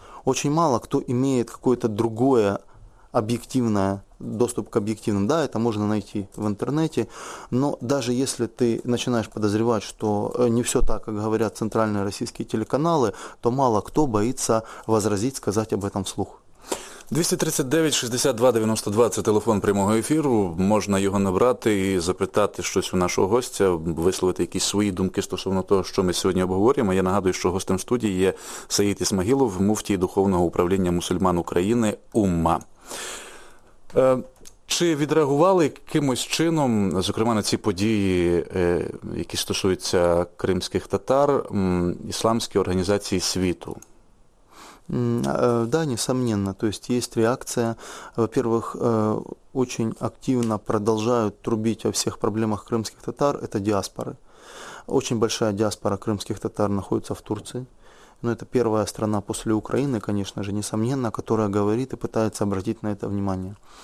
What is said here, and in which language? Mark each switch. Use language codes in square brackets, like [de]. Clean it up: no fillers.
[ru] Очень мало кто имеет какое-то другое объективное, доступ к объективным. Да, это можно найти в интернете, но даже если ты начинаешь подозревать, что не все так, как говорят центральные российские телеканалы, то мало кто боится возразить, сказать об этом вслух. [uk] 239-62-92 – це телефон прямого ефіру. Можна його набрати і запитати щось у нашого гостя, висловити якісь свої думки стосовно того, що ми сьогодні обговорюємо. Я нагадую, що гостем студії є Саїд Ісмагілов, муфтій Духовного управління мусульман України УММА. Чи відреагували якимось чином, зокрема на ці події, які стосуються кримських татар, ісламські організації світу? [ru] Да, несомненно. То есть есть реакция. Во-первых, очень активно продолжают трубить о всех проблемах крымских татар. Это диаспоры. Очень большая диаспора крымских татар находится в Турции. Но это первая страна после Украины, конечно же, несомненно, которая говорит и пытается обратить на это внимание.